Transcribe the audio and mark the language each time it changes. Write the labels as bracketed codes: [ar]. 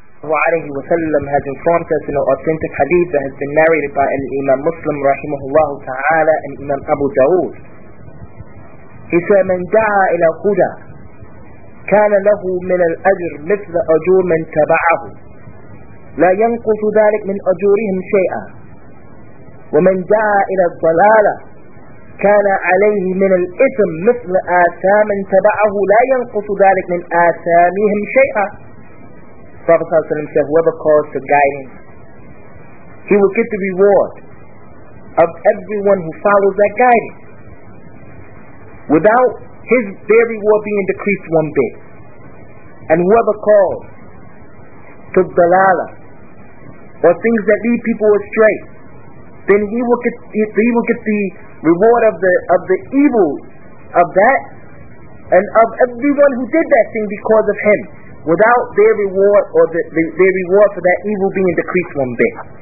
[ar] عليه وسلم [en] has informed us in an authentic hadith that has been narrated by Imam Muslim rahimahullah ta'ala and Imam Abu Dawood. He said, [ar] من دعا إلى هدى كان له من الأجر مثل أجور من تبعه لا ينقص ذلك من أجورهم شيئا ومن دعا إلى الضلالة كان عليه من الإثم مثل آثام من تبعه لا ينقص ذلك من آثامهم شيئا. [en] Prophet [ar] صلى الله عليه وسلم [en] said, whoever calls to guidance, he will get the reward of everyone who follows that guidance, without his their reward being decreased one bit. And whoever calls to dalala, or things that lead people astray, then he will get the reward of the evil of that, and of everyone who did that thing because of him, without their reward or their reward for that evil being decreased one bit.